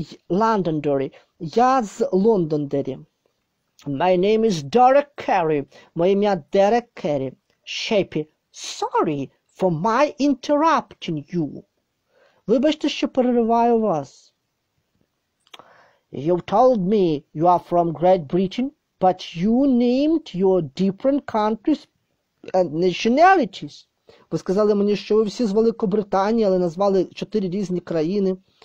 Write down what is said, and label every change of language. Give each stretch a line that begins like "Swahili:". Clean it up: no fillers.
Ukrainian: Londonderry. Я з Лондондері.
English: My name is Derek Carey.
Ukrainian: Моє ім'я Дерек Керрі.
English: Shapey. Sorry for my interrupting you.
Ukrainian: Вибачте, що перериваю вас.
English: You've told me you are from Great Britain, but you named your different countries and nationalities.
Ukrainian: Ви сказали мені, що ви всі з Великобританії, але назвали чотири різні країни.